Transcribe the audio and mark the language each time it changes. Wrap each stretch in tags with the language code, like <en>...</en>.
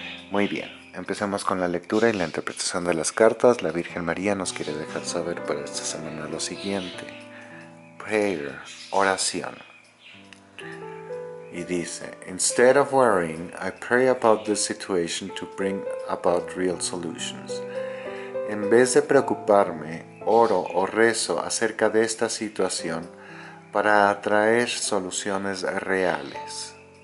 <es>Muy bien, empecemos con la lectura y la interpretación de las cartas. La Virgen María nos quiere dejar saber para esta semana lo siguiente.</es> <en>Prayer, oración.</en> <es>Y dice,</es> <en>instead of worrying, I pray about this situation to bring about real solutions.</en> <es>En vez de preocuparme, oro o rezo acerca de esta situación para atraer soluciones reales.</es>